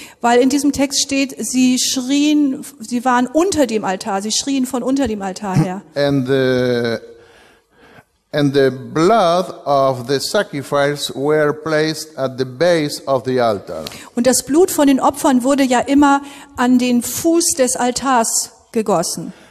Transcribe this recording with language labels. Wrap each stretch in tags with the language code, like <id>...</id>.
<de>Weil in diesem Text steht, sie schrien, sie waren unter dem Altar, sie schrien von unter dem Altar her.</de> <en>And the blood of the sacrifice were placed at the base of the altar.</en> <de>Und das Blut von den Opfern wurde ja immer an den Fuß des Altars gegossen.</de>